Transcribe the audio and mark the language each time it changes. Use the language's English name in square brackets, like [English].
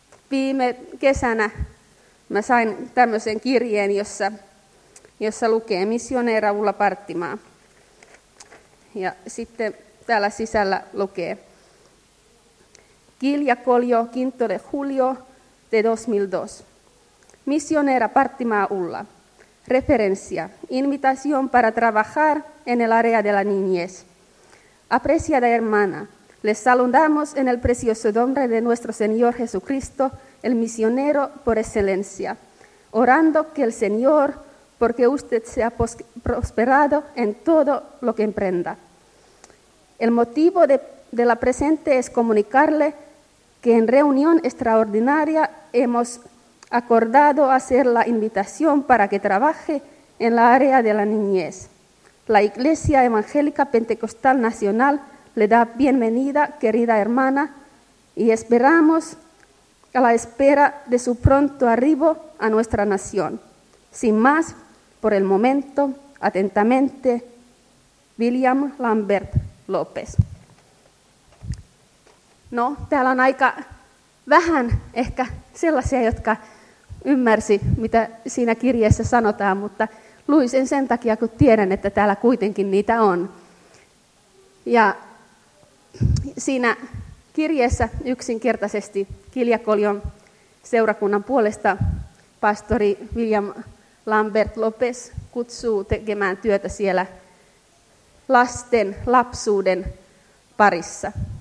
[Finnish] Viime kesänä mä sain tämmöisen kirjeen, jossa lukee Missioneera Ulla Parttimaa. Ja sitten täällä sisällä lukee Kilja Koljo Kintole [Spanish] Julio de 2002. [Finnish] Missioneera Parttimaa Ulla. Referencia. [Spanish] Invitación para trabajar en el área de la niñez. Apreciada hermana, les saludamos en el precioso nombre de nuestro Señor Jesucristo, el misionero por excelencia, orando que el Señor, porque usted sea prosperado en todo lo que emprenda. El motivo de la presente es comunicarle que en reunión extraordinaria hemos acordado hacer la invitación para que trabaje en la área de la niñez. La Iglesia Evangélica Pentecostal Nacional le da bienvenida, querida hermana, y esperamos a la espera de su pronto arribo a nuestra nación. Sin más, por el momento, atentamente, William Lambert López. [Finnish] No, täällä on aika vähän ehkä sellaisia, jotka ymmärsi, mitä siinä kirjeessä sanotaan, mutta luin sen sen takia, kun tiedän, että täällä kuitenkin niitä on. Ja siinä kirjeessä yksinkertaisesti Kiljakoljon seurakunnan puolesta pastori William Lambert López kutsuu tekemään työtä siellä lasten lapsuuden parissa.